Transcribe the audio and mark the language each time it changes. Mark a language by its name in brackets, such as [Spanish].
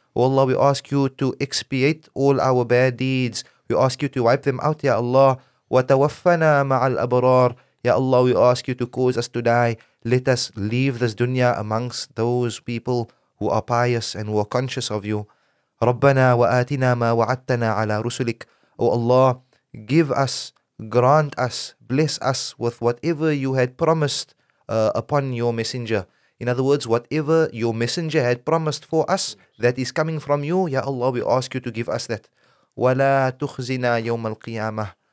[English] O Allah, we ask you to expiate all our bad deeds. We ask you to wipe them out, Ya Allah. [Arabic] وتوفنا مع الأبرار. [English] Ya Allah, we ask you to cause us to die. Let us leave this dunya amongst those people who are pious and who are conscious of you. [Arabic] ربنا وآتنا ما وعدتنا على رسلك. [English] O Allah, give us, grant us, bless us with whatever you had promised upon your messenger. In other words, whatever your messenger had promised for us that is coming from you, Ya Allah, we ask you to give us that. [Arabic] ولا تخزنا يوم القيامة.